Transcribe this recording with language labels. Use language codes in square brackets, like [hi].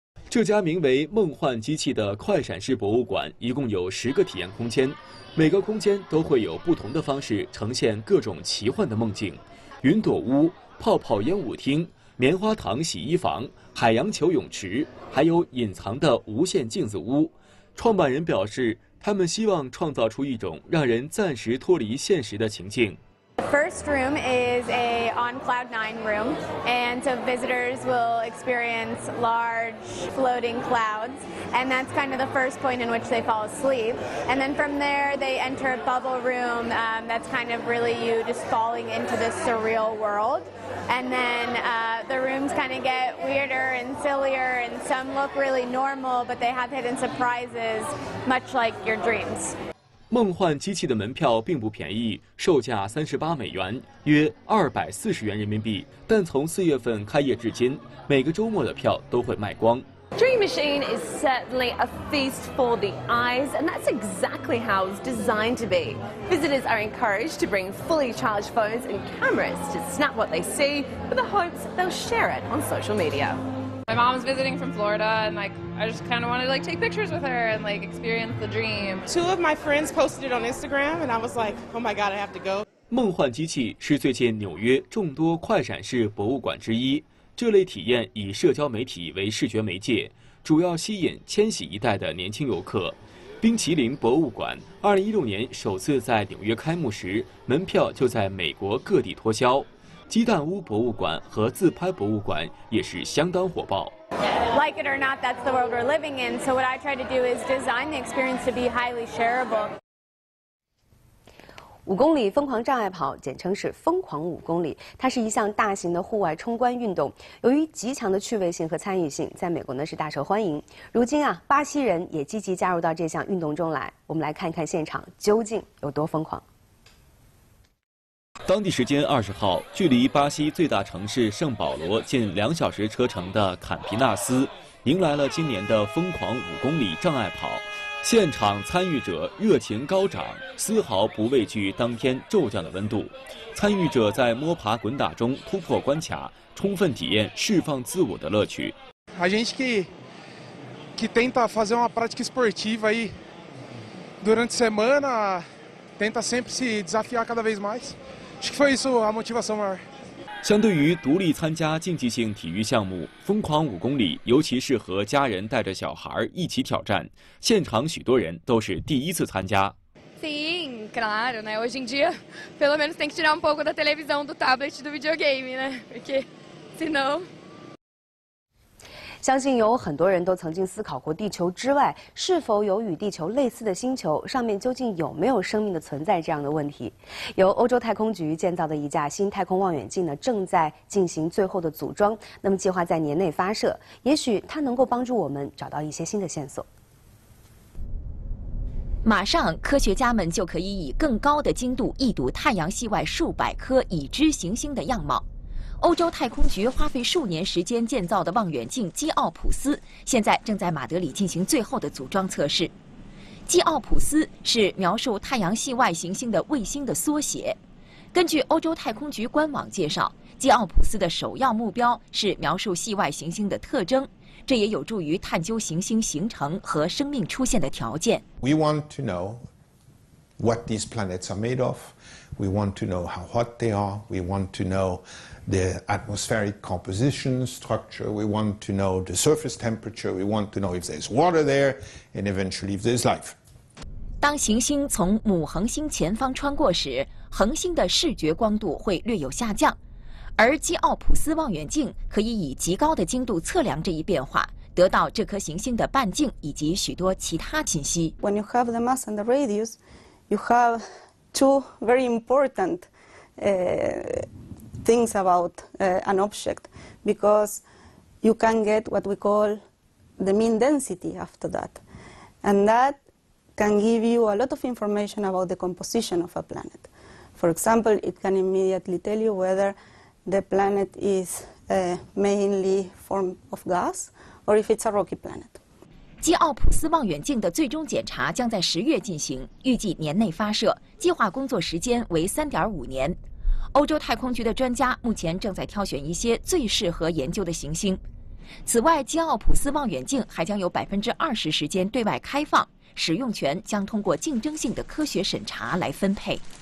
[zh] 这家名为“梦幻机器”的快闪式博物馆一共有10个体验空间，每个空间都会有不同的方式呈现各种奇幻的梦境：云朵屋、泡泡烟舞厅、棉花糖洗衣房、海洋球泳池，还有隐藏的无限镜子屋。创办人表示，他们希望创造出一种让人暂时脱离现实的情境。 [en] The first room is a on cloud 9 room, and so visitors will experience large floating clouds, and that's kind of the first point in which they fall asleep. And then from there, they enter a bubble room, that's kind of really you just falling into this surreal world. And then the rooms kind of get weirder and sillier, and some look really normal, but they have hidden surprises, much like your dreams. [zh] 梦幻机器的门票并不便宜，售价$38，约240元人民币。但从4月份开业至今，每个周末的票都会卖光。 [en] Dream Machine is certainly a feast for the eyes, and that's exactly how it's designed to be. Visitors are encouraged to bring fully charged phones and cameras to snap what they see, with the hopes they'll share it on social media. My mom's visiting from Florida, and I just kind of wanted to take pictures with her and experience the dream. Two of my friends posted it on Instagram, and I was like, oh my god, I have to go. [zh] 梦幻机器是最近纽约众多快闪式博物馆之一。这类体验以社交媒体为视觉媒介，主要吸引千禧一代的年轻游客。冰淇淋博物馆2016年首次在纽约开幕时，门票就在美国各地脱销。鸡蛋屋博物馆和自拍博物馆也是相当火爆。 [en] Like it or not, that's the world we're living in. So what I try to do is design the experience to be highly shareable. [zh] 5公里疯狂障碍跑，简称是疯狂5公里，它是一项大型的户外冲关运动。由于极强的趣味性和参与性，在美国呢是大受欢迎。如今啊，巴西人也积极加入到这项运动中来。我们来看看现场究竟有多疯狂。当地时间20号，距离巴西最大城市圣保罗近2小时车程的坎皮纳斯，迎来了今年的疯狂5公里障碍跑。现场参与者热情高涨，丝毫不畏惧当天骤降的温度。参与者在摸爬滚打中突破关卡，充分体验释放自我的乐趣。 [pt] A gente que tenta fazer uma prática esportiva aí durante semana, tenta sempre se desafiar cada vez mais. Acho que foi isso a motivação maior. [zh] 相对于独立参加竞技性体育项目，疯狂五公里尤其适合家人带着小孩一起挑战。现场许多人都是第一次参加。 [pt] Sim, claro, né? Hoje em dia, pelo menos tem que tirar um pouco da televisão, do tablet, do videogame, né? Porque, senão... [zh] 相信有很多人都曾经思考过，地球之外是否有与地球类似的星球，上面究竟有没有生命的存在这样的问题。由欧洲太空局建造的一架新太空望远镜呢，正在进行最后的组装，那么计划在年内发射，也许它能够帮助我们找到一些新的线索。马上，科学家们就可以以更高的精度一睹太阳系外数百颗已知行星的样貌。欧洲太空局花费数年时间建造的望远镜基奥普斯，现在正在马德里进行最后的组装测试。基奥普斯是描述太阳系外行星的卫星的缩写。根据欧洲太空局官网介绍，基奥普斯的首要目标是描述系外行星的特征，这也有助于探究行星形成和生命出现的条件。 [en] We want to know what these planets are made of. We want to know how hot they are. We want to know. The atmospheric composition structure, we want to know the surface temperature, we want to know if there's water there, and eventually if there's life. [zh] 当行星从母恒星前方穿过时，恒星的视觉光度会略有下降，而基奥普斯望远镜可以以极高的精度测量这一变化，得到这颗行星的半径以及许多其他信息。 [en] When you have the mass and the radius, you have two very important, things about an object, because you can get what we call the mean density after that, and that can give you a lot of information about the composition of a planet. For example, it can immediately tell you whether the planet is mainly formed of gas or if it's a rocky planet. [zh] 基奥普斯望远镜的最终检查将在10月进行，预计年内发射，计划工作时间为 3.5 年。欧洲太空局的专家目前正在挑选一些最适合研究的行星。此外，基奥普斯望远镜还将有20%时间对外开放，使用权将通过竞争性的科学审查来分配。